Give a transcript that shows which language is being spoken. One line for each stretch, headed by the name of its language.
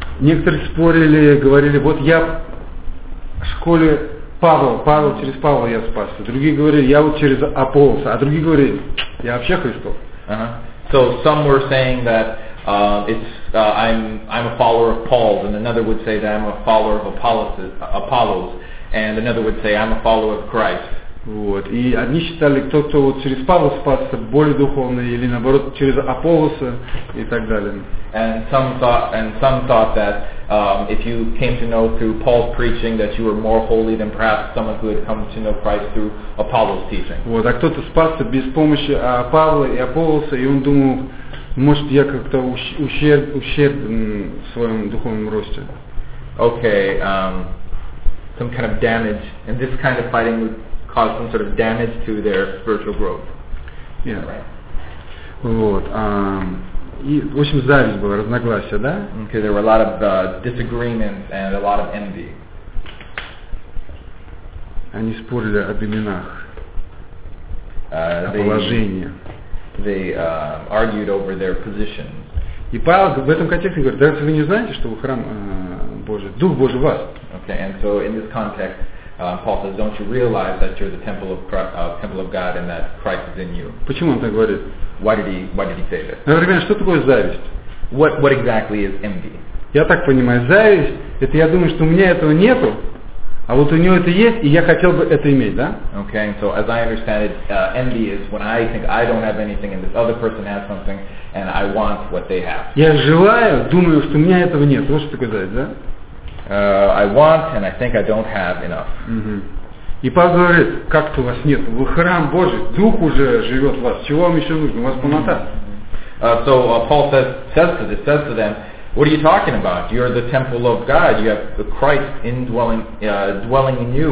Russian: Некоторые спорили, говорили, вот я в школе Павел через Павла я спасся. Другие говорили, я вот через Аполлоса. А другие говорили, я вообще Христов.
English: So some were saying that I'm a follower of Paul's, and another would say that I'm a follower of Apollos, and another would say I'm a follower of Christ.
Russian: Вот. И одни считали, кто вот через Павла спасся, более духовный, или наоборот, через Аполлоса и так далее.
English: And some thought that if you came to know through Paul's preaching that you were more holy than perhaps someone who had come to know Christ through Apollos' teaching.
Russian: Вот, а кто-то спасся без помощи Павла и Аполлоса, и он думал, может, я как-то ущерб в своем духовном росте.
English: Okay, some kind of damage, and this kind of fighting would cause some sort of damage to their spiritual growth. Yeah. Right. Вот.
Russian: И, в общем, зависть была, разногласия, да?
English: Okay, there were a lot of disagreements and a lot of envy.
Russian: Они спорили об именах, о положении.
English: They argued over their position.
Russian: И Павел в этом контексте говорит, даже вы не знаете, что вы храм Божий, Дух Божий в вас.
English: Okay, and so in this context, Paul says, "Don't you realize that you're the temple of temple of God, and that Christ is in you?"
Russian: Почему он так говорит?
English: Why did he say this?
Russian: Например, что такое зависть?
English: What exactly is envy?
Russian: Я так понимаю, зависть — это я думаю, что у меня этого нету. А вот у него это есть, и я хотел бы это иметь, да?
English: Okay, so as I understand it, envy is when I think I don't have anything and this other person has something and I want what they have.
Russian: Я желаю, думаю, что у меня этого нет. Можешь такое сказать, да?
English: I want and I think I don't have enough.
Russian: И Павел говорит, как-то у вас нет. Вы храм Божий, Дух уже живет в вас. Чего вам еще нужно? У вас полнота.
English: So Paul says to them, what are you talking about? You're the temple of God. You have the Christ indwelling, dwelling in you.